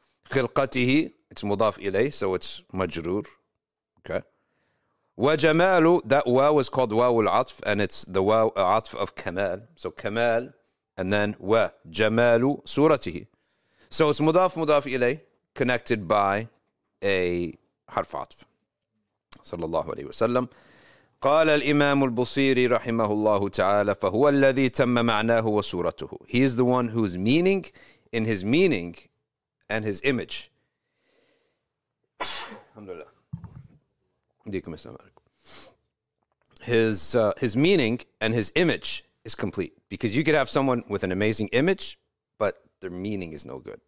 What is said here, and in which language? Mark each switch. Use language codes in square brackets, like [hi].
[en] Khilqatihi, it's Mudaf Ilay, so it's Majroor. Okay. Wa Jamalu, that Waw is called Wawul Atf, and it's the Waw Atf of Kamal. So Kamal, and then Wa Jamalu Suratihi. So it's Mudaf, Mudaf Ilay, connected by a Harf Atf. [ar] صلى الله عليه وسلم قال الإمام البصيري رحمه الله تعالى فهو الذي تم معناه وصورته. [en] He is the one whose meaning in his meaning and his image. Alhamdulillah. [ar] عليكم السلام. [en] His meaning and his image is complete, because you could have someone with an amazing image but their meaning is no good.